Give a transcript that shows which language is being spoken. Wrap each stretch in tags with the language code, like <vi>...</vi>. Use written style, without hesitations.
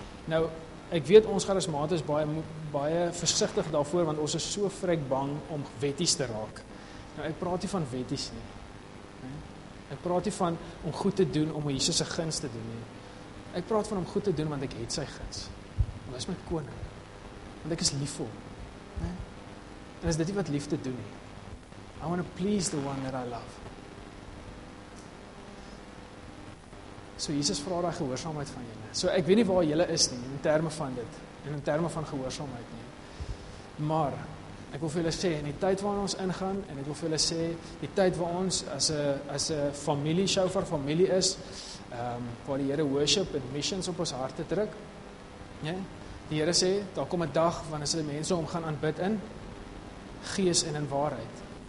<af>Nou, ek weet ons charismaties baie versigtig daarvoor, want ons is so frek bang om wetties te raak. Nou, ek praat nie van wetties nie. Ek praat nie van om goed te doen, om Jesus se guns te doen. Nie. Ek praat van om goed te doen, want ek het sy guns. Want hy is my koning. Want ek is lief vir hom. Nee? En is dit nie wat liefde doen nie.</af> <en>I want to please the one that I love.</en> <af>So Jesus vra daai gehoorsaamheid van julle. So ek weet nie waar julle is nie, in terme van dit. En in terme van gehoorsaamheid nie. Maar ek wil vir julle sê, in die tyd waarin ons ingaan, en ek wil vir julle sê, die tyd waar ons as a familie, Shofar familie is, waar die Here worship en missions op ons harte druk, nee? Die Here sê, daar kom 'n dag, wanneer die mense om gaan aanbid in, gees en in waarheid.</af>